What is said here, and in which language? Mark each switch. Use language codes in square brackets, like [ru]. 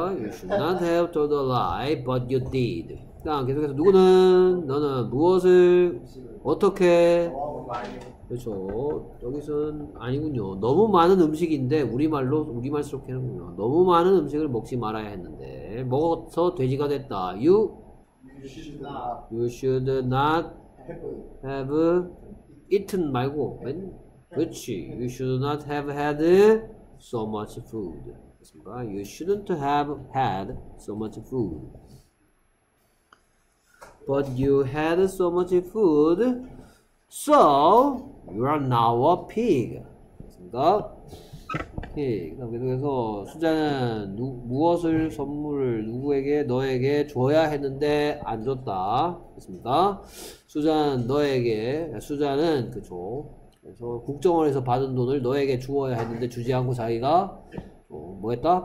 [en] You should not have told a lie, but you did. [ko] 그다음 계속해서 누구는? 너는 무엇을? 어떻게? 그렇죠. 여기서는 아니군요. 너무 많은 음식인데 우리말로 우리말 속해는군요. 너무 많은 음식을 먹지 말아야 했는데 먹어서 돼지가 됐다. [en] You You should not. You should not have eaten 말고 when? 그렇지. You should not have had so much food. 맞습니까? You shouldn't have had so much food. But you had so much food, so you are now a pig. [ko] 맞습니까? 오케이. 그럼 계속해서 수자는 무엇을 선물을 누구에게 너에게 줘야 했는데 안 줬다. 맞습니까? 수자는 너에게 수자는 그죠. 그래서 국정원에서 받은 돈을 너에게 주어야 했는데 주지 않고 자기가 뭐 했다?